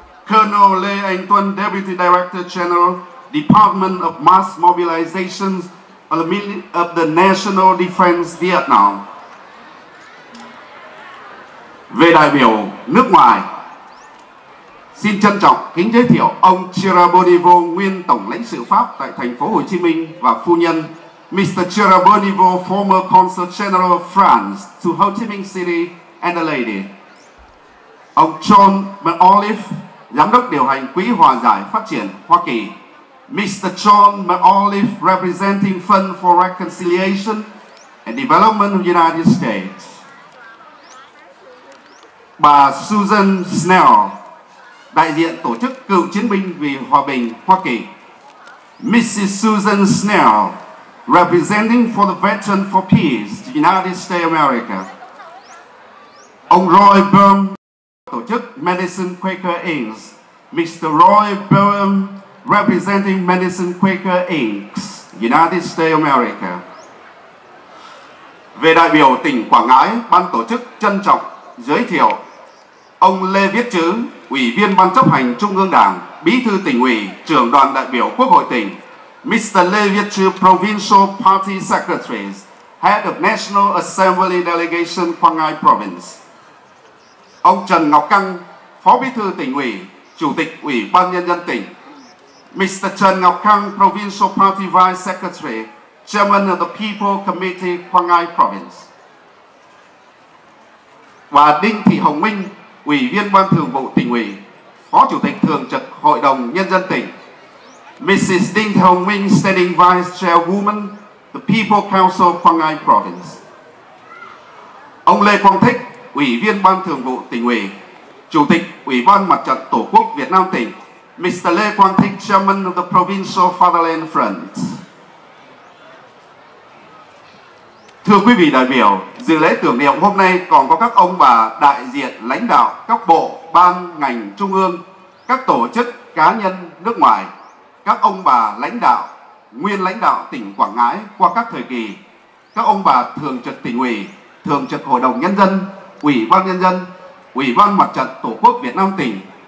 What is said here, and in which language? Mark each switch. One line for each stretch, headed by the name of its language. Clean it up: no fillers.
English: Colonel Lê Anh Tuấn, Deputy Director General, Department of Mass Mobilization of the National Defense Vietnam.
Vietnamese: Về đại biểu nước ngoài, xin trân trọng kính giới thiệu ông Chira Bonivo, nguyên Tổng lãnh sự Pháp tại thành phố Hồ Chí Minh, và phu nhân Mr.
English: Chira Bonivo, former Consul General of France to Ho Chi Minh City and the lady.
Vietnamese: Ông John McAuliffe, Giám đốc điều hành Quỹ Hòa giải Phát triển Hoa Kỳ.
English: Mr. John McAuliffe, representing Fund for Reconciliation and Development of the United States.
Vietnamese: Bà Susan Snell, đại diện Tổ chức Cựu Chiến binh vì Hòa bình Hoa Kỳ.
English: Mrs. Susan Snell, representing for the Veteran for Peace, the United States of America.
Vietnamese: Ông Roy Boehm, Tổ chức Medicine Quaker Inc. Mr.
English: Roy Boehm, representing Medicine Quaker Inc., United States of America.
Vietnamese: Về đại biểu tỉnh Quảng Ngãi, Ban Tổ chức trân trọng giới thiệu ông Lê Viết Chữ, Ủy viên Ban Chấp hành Trung ương Đảng, Bí thư Tỉnh ủy, Trưởng đoàn đại biểu Quốc hội tỉnh. Mr.
English: Lê Viết Chữ, Provincial Party Secretary, Head of National Assembly Delegation, Quảng Ngãi Province.
Vietnamese: Ông Trần Ngọc Căng, Phó Bí thư Tỉnh ủy, Chủ tịch Ủy ban Nhân dân tỉnh.
English: Mr. Trần Ngọc Căng, Provincial Party Vice Secretary, Chairman of the People Committee, Quảng Ngãi Province.
Vietnamese: Và Đinh Thị Hồng Minh, Ủy viên Ban Thường vụ Tỉnh ủy, Phó Chủ tịch Thường trực Hội đồng Nhân dân tỉnh.
English: Mrs. Đinh Thị Hồng Minh, Standing Vice Chairwoman, the People Council, Quảng Ngãi Province.
Vietnamese: Ông Lê Quang Thích, Ủy viên Ban Thường vụ Tỉnh ủy, Chủ tịch Ủy ban Mặt trận Tổ quốc Việt Nam tỉnh. Mr.
English: Lê Quang Thích, Chairman of the Provincial Fatherland Front.
Vietnamese: Thưa quý vị đại biểu, dự lễ tưởng niệm hôm nay còn có các ông bà đại diện lãnh đạo các bộ, ban, ngành, trung ương, các tổ chức, cá nhân, nước ngoài, các ông bà lãnh đạo, nguyên lãnh đạo tỉnh Quảng Ngãi qua các thời kỳ, các ông bà Thường trực Tỉnh ủy, Thường trực Hội đồng Nhân dân, Ủy ban Nhân dân, Ủy ban Mặt trận Tổ quốc Việt Nam tỉnh,